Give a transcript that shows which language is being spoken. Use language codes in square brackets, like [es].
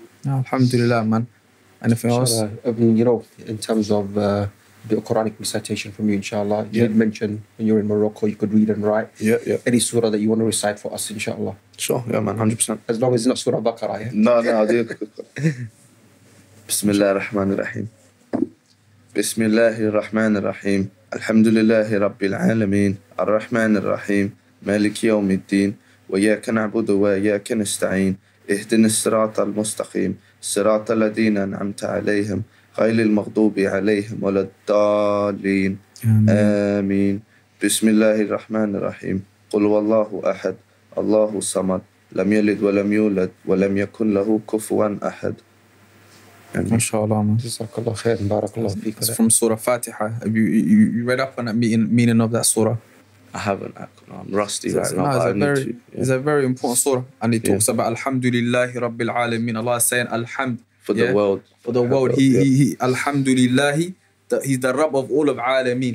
[en] Alhamdulillah, man. Anything else? I mean, you know, in terms of a bit of Quranic recitation from you, inshallah. You did mention when you're in Morocco, you could read and write. Yeah. Any surah that you want to recite for us, inshallah. Sure, yeah, man, 100%. As long as it's not Surah Baqarah, yeah? No, I do. [ar] بسم الله الرحمن الرحيم بسم الله الرحمن الرحيم الحمد لله رب العالمين الرحمن الرحيم مالك يوم الدين وياك نعبد وياك نستعين اهدنا الصراط المستقيم صراط الذين أنعمت عليهم غير المغضوب عليهم ولا الضالين آمين بسم الله الرحمن الرحيم قل والله أحد الله الصمد لم يلد ولم يولد ولم يكن له كفوا أحد. [en] Inshallah, man. JazakAllah khair and barakAllah. It's from Surah Fatiha. Have you read up on that meaning of that surah? I haven't. I'm rusty right now. It's a very important surah. And it talks about Alhamdulillahi Rabbil Alameen. Allah is saying Alhamd. For the world. He Alhamdulillahi, he's the Rabb of all of Alameen.